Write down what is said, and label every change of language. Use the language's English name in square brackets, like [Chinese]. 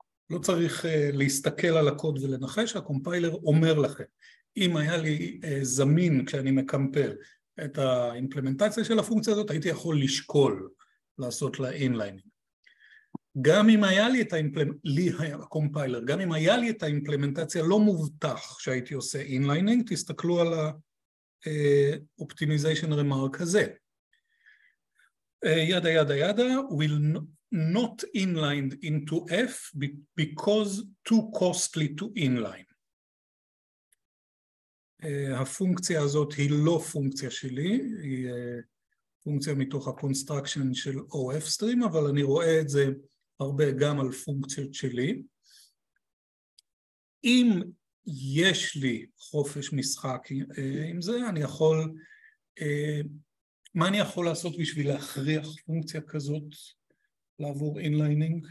[Hebrew] לא צריך להסתכל על הקוד ולנחש, הקומפיילר אומר לכם, אם היה לי זמין כשאני מקמפל את האימפלמנטציה של הפונקציה הזאת, הייתי יכול לשקול לעשות לה אינליינינג. גם אם היה לי את הקומפיילר, גם אם היה לי את האימפלמנטציה, לא מובטח שהייתי עושה אינליינינג, תסתכלו על האופטימיזיישן רמרק הזה. ידה ידה ידה, [English] will not inlined into F because too costly to inline. [Hebrew] הפונקציה הזאת היא לא פונקציה שלי, היא פונקציה מתוך הקונסטרקשן של OF stream, אבל אני רואה את זה הרבה גם על פונקציות שלי. אם יש לי חופש משחק עם זה, אני יכול, מה אני יכול לעשות בשביל להכריח פונקציה כזאת לעבור אינליינינג?